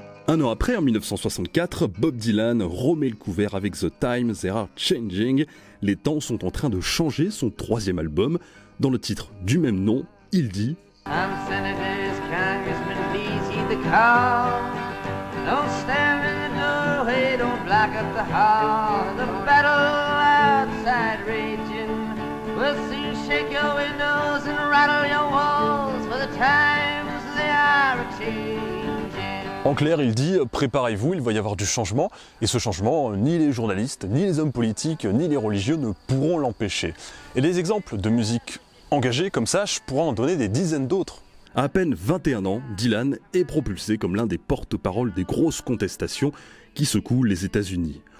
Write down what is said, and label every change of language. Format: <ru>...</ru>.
<fr>Un an après, en 1964, Bob Dylan remet le couvert avec The Times They Are Changing. Les temps sont en train de changer, son troisième album. Dans le titre du même nom, il dit</fr> <en>I'm senators, congressmen, please heed the call. Don't stand in the doorway, don't block up the hall. The battle outside raging will soon shake your windows and rattle your walls. For the times they are changing.</en> <fr>En clair, il dit « Préparez-vous, il va y avoir du changement. » Et ce changement, ni les journalistes, ni les hommes politiques, ni les religieux ne pourront l'empêcher. Et des exemples de musique engagée comme ça, je pourrais en donner des dizaines d'autres. À peine 21 ans, Dylan est propulsé comme l'un des porte-parole des grosses contestations qui secouent les États-Unis.</fr>